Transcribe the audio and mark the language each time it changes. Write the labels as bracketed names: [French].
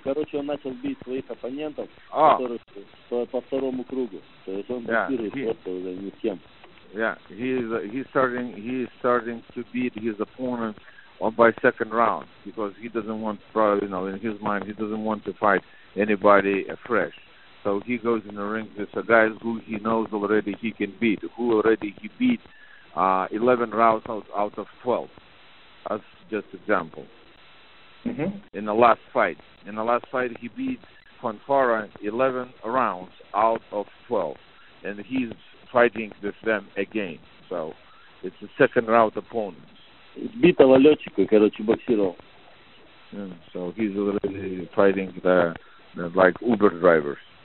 [Russian] Короче, он начал бить своих оппонентов, которые по второму кругу. То есть он бил просто уже не с кем. [English] Yeah, he's starting to beat his opponent by second round because he doesn't want, probably, you know, in his mind, he doesn't want to fight anybody fresh. So he goes in the ring with a guy who he knows already he can beat, who already he beat 11 rounds out of 12. That's just an example. Mm-hmm. In the last fight. In the last fight, he beat Fanfara 11 rounds out of 12. And he's fighting with them again. So it's a second round opponent. It's [Russian] битого летчика, короче, боксировал. [English] So he's already fighting the like Uber drivers.